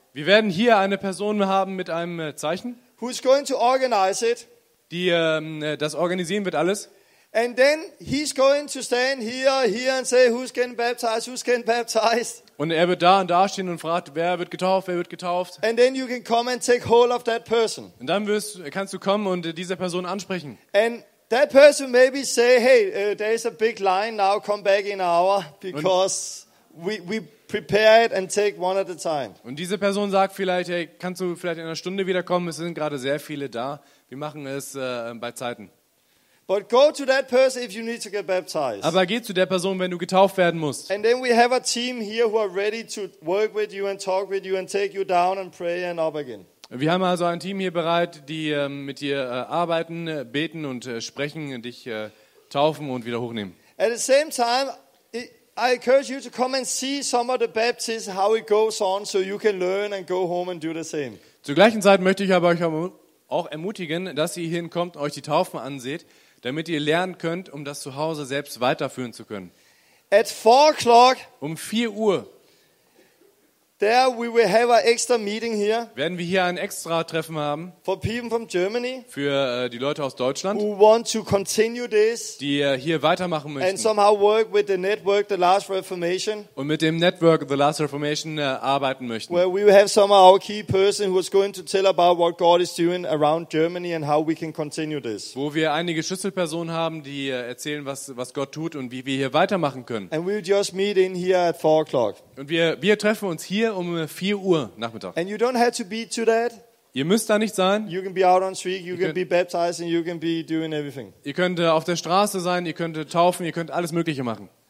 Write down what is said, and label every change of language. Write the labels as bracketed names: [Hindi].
[German] Wir werden hier eine Person haben mit einem Zeichen. [English] Who is going to organize it? [German] Die das organisieren wird alles. [English] And then he's going to stand here and say who's getting baptized, who's getting baptized. [German] Und er wird da und da stehen und fragt, wer wird getauft, wer wird getauft. [English] And then you can come and take hold of that person. [German] Und dann kannst du kommen und diese Person ansprechen. [English] And that person maybe say, hey, there is a big line now. Come back in an hour because we prepare it and take one at a time. [German] Und diese Person sagt vielleicht, hey, kannst du vielleicht in einer Stunde wiederkommen? Es sind gerade sehr viele da. Wir machen es bei Zeiten. [English] But go to that person if you need to get baptized. [German] Aber geh zu der Person, wenn du getauft werden musst. [English] And then we have a team here who are ready to work with you and talk with you and take you down and pray and up again. [German] Wir haben also ein Team hier bereit, die mit dir arbeiten, beten und sprechen, dich taufen und wieder hochnehmen. [English] At the same time, I encourage you to come and see some of the baptisms, how it goes on, so you can learn and go home and do the same. [German] Zur gleichen Zeit möchte ich aber euch auch ermutigen, dass ihr hinkommt und euch die Taufen anseht, damit ihr lernen könnt, um das zu Hause selbst weiterführen zu können. [English] At 4 o'clock, [German] um 4 Uhr, [English] there we will have an extra meeting here. [German] Werden wir hier ein extra Treffen haben? [English] For people from Germany. [German] Für die Leute aus Deutschland. [English] Who want to continue this? [German] Die hier weitermachen möchten. [English] And somehow work with the network, the Last Reformation. [German] Und mit dem Network, the Last Reformation, arbeiten möchten. [English] Where we will have some of our key person who is going to tell about what God is doing around Germany and how we can continue this. [German] Wo wir einige Schlüsselpersonen haben, die erzählen, was Gott tut und wie wir hier weitermachen können. [English] And we will just meet in here at 4 o'clock. [German] Und wir treffen uns hier um 4 Uhr Nachmittag. [English] And you don't have to be to that. [German] Ihr müsst da nicht sein. [English] You can be out on street, you can be baptized and you can be doing everything. [German] Ihr könnt auf der Straße sein, ihr könnt taufen, ihr könnt alles Mögliche machen.